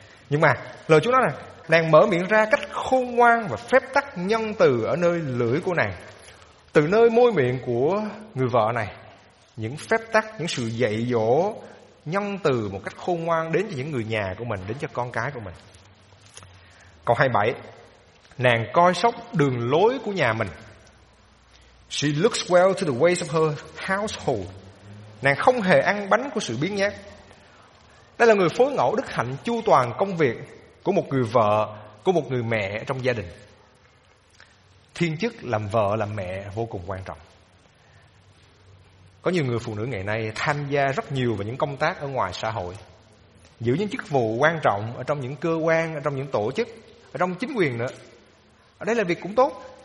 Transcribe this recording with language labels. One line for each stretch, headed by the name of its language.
Vietnamese: Nhưng mà lời Chúa nói là nàng mở miệng ra cách khôn ngoan và phép tắc nhân từ ở nơi lưỡi của nàng. Từ nơi môi miệng của người vợ này, những phép tắc, những sự dạy dỗ nhân từ một cách khôn ngoan đến cho những người nhà của mình, đến cho con cái của mình. Câu 27, nàng coi sóc đường lối của nhà mình.
English: She looks well to the ways of her household.
Vietnamese: Nàng không hề ăn bánh của sự biếng nhác. Đây là người phối ngẫu đức hạnh chu toàn công việc của một người vợ, của một người mẹ trong gia đình. Thiên chức làm vợ, làm mẹ vô cùng quan trọng. Có nhiều người phụ nữ ngày nay tham gia rất nhiều vào những công tác ở ngoài xã hội, giữ những chức vụ quan trọng ở trong những cơ quan, ở trong những tổ chức, ở trong chính quyền nữa. Ở đây là việc cũng tốt.